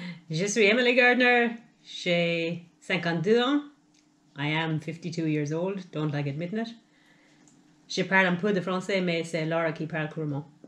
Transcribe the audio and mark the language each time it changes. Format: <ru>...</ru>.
<fr>Je suis Emily Gardner, j'ai 52 ans.</fr> <en>I am 52 years old, don't like admitting it.</en> <fr>Je parle un peu de français, mais c'est Laura qui parle couramment.</fr>